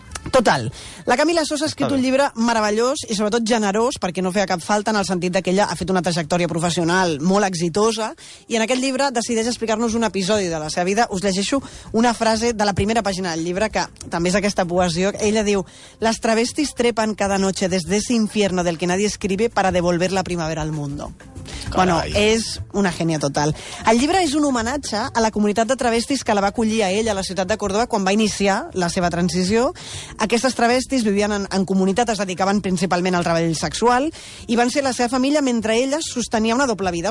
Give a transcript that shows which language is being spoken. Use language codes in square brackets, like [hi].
[ca] Total, la Camila Sosa ha escrit un llibre meravellós i sobretot generós, perquè no feia cap falta en el sentit que ella ha fet una trajectòria professional molt exitosa, i en aquest llibre decideix explicar-nos un episodi de la seva vida. Us llegeixo una frase de la primera pàgina del llibre, que també és aquesta poesia. Ella diu, [es] las travestis trepan cada noche desde ese infierno del que nadie escribe para devolver la primavera al mundo. [ca] Carai. Bueno, és una gènia total. El llibre és un homenatge a la comunitat de travestis que la va acollir a ella a la ciutat de Córdoba quan va iniciar la seva transició. Aquestes travestis vivien en comunitat, es dedicaven principalment al treball sexual i van ser la seva família mentre ella sostenia una doble vida.